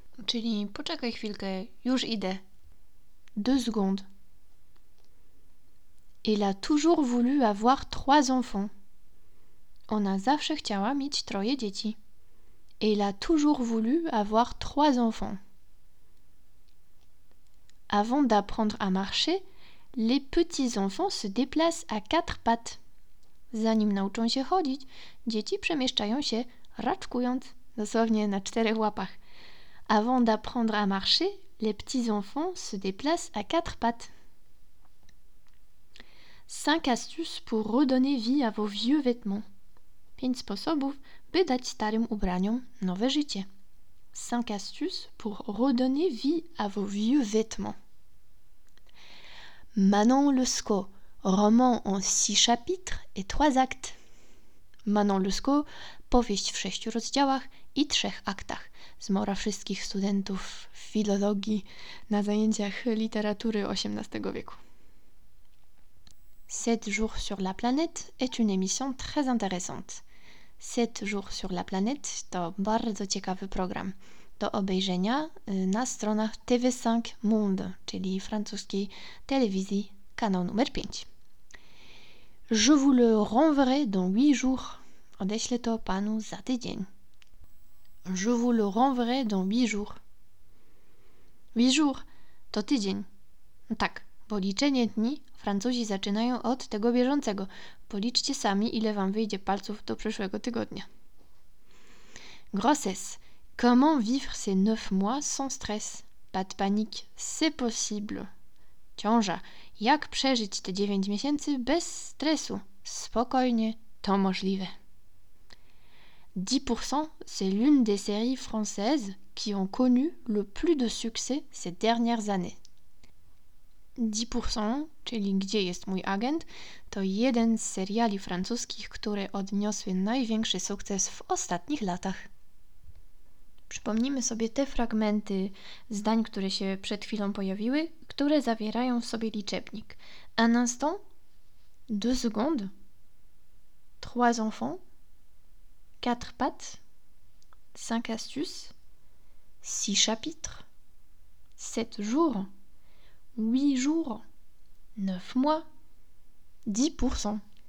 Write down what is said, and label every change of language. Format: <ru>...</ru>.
<pl>Czyli poczekaj chwilkę, już idę.</pl> <fr>Deux secondes. Elle a toujours voulu avoir trois enfants.</fr> <pl>Ona zawsze chciała mieć troje dzieci.</pl> <fr>Elle a toujours voulu avoir trois enfants. Avant d'apprendre à marcher, les petits enfants se déplacent à quatre pattes.</fr> <pl>Zanim nauczą się chodzić, dzieci przemieszczają się raczkując, dosłownie na czterech łapach.</pl> <fr>Avant d'apprendre à marcher, les petits enfants se déplacent à quatre pattes. Cinq astuces pour redonner vie à vos vieux vêtements.</fr> <pl>5 sposobów, by dać starym ubraniom nowe życie.</pl> <fr>5 astuces pour redonner vie à vos vieux vêtements. Manon Lescaut, roman en 6 chapitres et 3 actes.</fr> <pl>Manon Lescaut, powieść w 6 rozdziałach i 3 aktach. Zmora wszystkich studentów filologii na zajęciach literatury XVIII wieku.</pl> <fr>7 jours sur la planète est une émission très intéressante.</fr> <pl>7 jours sur la planète to bardzo ciekawy program do obejrzenia na stronach TV5 Monde, czyli francuskiej telewizji, kanał numer 5.</pl> <fr>Je vous le renverrai dans 8 jours.</fr> <pl>Odeślę to panu za tydzień.</pl> <fr>Je vous le renverrai dans 8 jours. 8 jours</fr> <pl>to tydzień. No tak, bo liczenie dni Francuzi zaczynają od tego bieżącego. Policzcie sami, ile Wam wyjdzie palców do przyszłego tygodnia.</pl> <fr>Grossesse. Comment vivre ces 9 mois sans stress? Pas de panique, c'est possible.</fr> <pl>Ciąża. Jak przeżyć te 9 miesięcy bez stresu? Spokojnie, to możliwe.</pl> <fr>10% c'est l'une des séries françaises qui ont connu le plus de succès ces dernières années.</fr> <pl>10%, czyli gdzie jest mój agent, to jeden z seriali francuskich, które odniosły największy sukces w ostatnich latach. Przypomnijmy sobie te fragmenty zdań, które się przed chwilą pojawiły, które zawierają w sobie liczebnik.</pl> <fr>Un instant, deux secondes, trois enfants, quatre pattes, 5 astuces, 6 chapitres, 7 jours, 8 jours, 9 mois, 10%.</fr>